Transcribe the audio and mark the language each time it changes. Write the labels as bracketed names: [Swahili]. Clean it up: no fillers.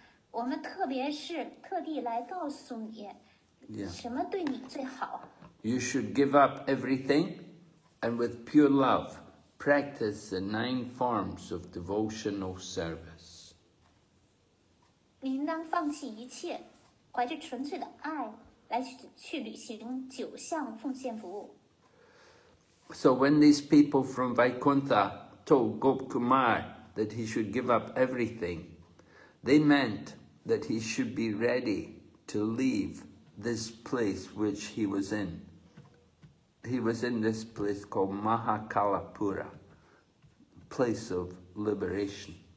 [Chinese] 我们特地来告诉你什么对你最好。 [English] You should give up everything and with pure love practice the 9 forms of devotional service. [Chinese] 您当放弃一切，怀着纯粹的爱。来去履行九项奉献服务。 So [English] when these people from Vaikuntha told Gop Kumar that he should give up everything, they meant that he should be ready to leave this place which he was in. He was in this place called Mahakalapura, place of liberation.